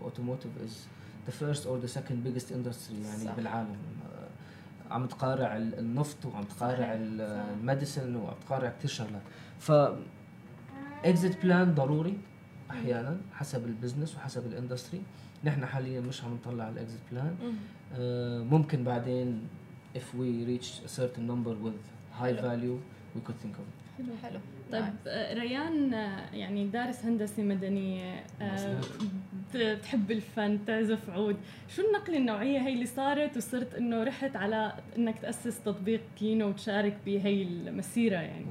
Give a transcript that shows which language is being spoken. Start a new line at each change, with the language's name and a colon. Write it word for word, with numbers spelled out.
English: automotive is the first or the second biggest industry
Arabic: يعني صح. بالعالم عم تقارع النفط وعم تقارع الميديسن وعم تقارع كتير شغلات. ف exit plan ضروري أحياناً حسب البزنس وحسب الاندستري. نحن حالياً مش عم نطلع على exit plan. آه ممكن بعدين
English: if we reach a certain number with high value we could think of it.
Arabic: حلو حلو. طيب ريان يعني دارس هندسة مدنية، بتحب الفن، تعزف عود، شو النقلة النوعية هاي اللي صارت وصرت انه رحت على انك تأسس تطبيق كينو وتشارك بهاي المسيرة؟ يعني